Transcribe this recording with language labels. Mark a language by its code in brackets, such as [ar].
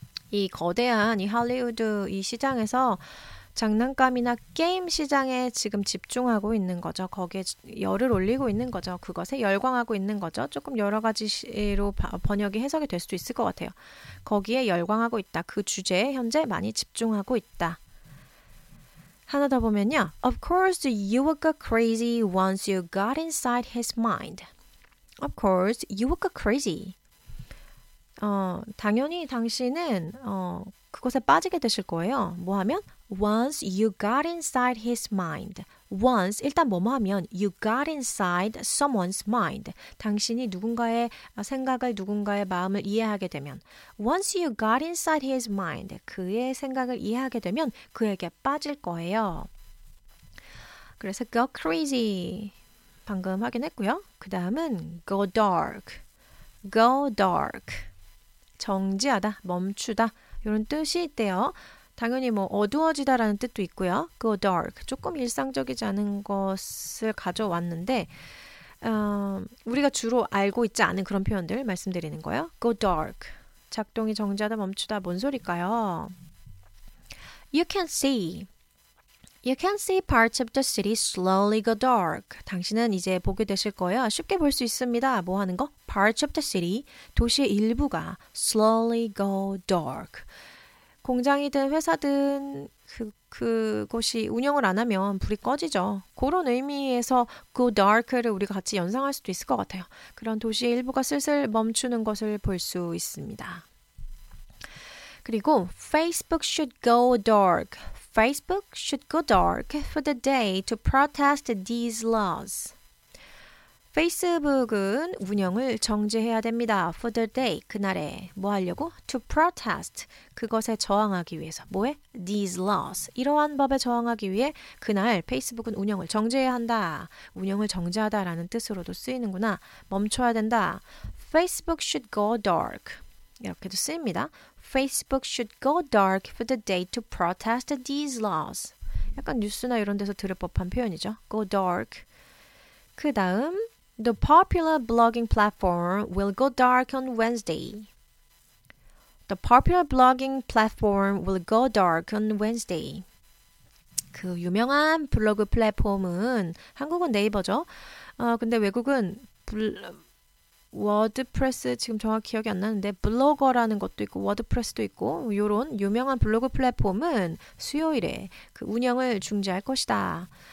[ko] 이 거대한 이 할리우드 이 시장에서 장난감이나 게임 시장에 지금 집중하고 있는 거죠. 거기에 열을 올리고 있는 거죠. 그것에 열광하고 있는 거죠. 조금 여러 가지로 번역이 해석이 될 수도 있을 것 같아요. 거기에 열광하고 있다. 그 주제에 현재 많이 집중하고 있다. 하나 더 보면요. [en] Of course you would go crazy once you got inside his mind. Of course you would go crazy. [ko] 당연히 당신은 그곳에 빠지게 되실 거예요. 뭐 하면? [en] Once you got inside his mind. Once, [ko] 일단 뭐뭐 하면 [en] you got inside someone's mind. [ko] 당신이 누군가의 생각을 누군가의 마음을 이해하게 되면 [en] Once you got inside his mind. [ko] 그의 생각을 이해하게 되면 그에게 빠질 거예요. 그래서 go crazy. 방금 확인했고요. 그 다음은 [en] go dark. Go dark. [ko] 정지하다, 멈추다 이런 뜻이 있대요. 당연히 뭐 어두워지다라는 뜻도 있고요. [en] Go dark. [ko] 조금 일상적이지 않은 것을 가져왔는데 우리가 주로 알고 있지 않은 그런 표현들 말씀드리는 거예요. [en] Go dark. [ko] 작동이 정지하다, 멈추다 뭔 소리일까요? [en] You can see. You can see parts of the city slowly go dark. [ko] 당신은 이제 보게 되실 거예요. 쉽게 볼 수 있습니다. 뭐 하는 거? [en] Parts of the city, [ko] 도시의 일부가 [en] slowly go dark. [ko] 공장이든 회사든 그곳이 운영을 안 하면 불이 꺼지죠. 그런 의미에서 go dark를 우리가 같이 연상할 수도 있을 것 같아요. 그런 도시의 일부가 슬슬 멈추는 것을 볼 수 있습니다. [en] 그리고 Facebook should go dark. Facebook should go dark for the day to protest these laws. [ko] 페이스북은 운영을 정지해야 됩니다. [en] For the day, [ko] 그날에 뭐 하려고? [en] To protest, [ko] 그것에 저항하기 위해서. 뭐에? [en] These laws. [ko] 이러한 법에 저항하기 위해 그날 페이스북은 운영을 정지해야 한다. 운영을 정지하다라는 뜻으로도 쓰이는구나. 멈춰야 된다. [en] Facebook should go dark. [ko] 이렇게도 쓰입니다. [en] Facebook should go dark for the day to protest these laws. [ko] 약간 뉴스나 이런 데서 들을 법한 표현이죠. [en] Go dark. [ko] 그 다음, [en] the popular blogging platform will go dark on Wednesday. The popular blogging platform will go dark on Wednesday. [ko] 그 유명한 블로그 플랫폼은 한국은 네이버죠. 근데 외국은 워드프레스 지금 정확히 기억이 안 나는데 블로거라는 것도 있고 워드프레스도 있고 이런 유명한 블로그 플랫폼은 수요일에 그 운영을 중지할 것이다.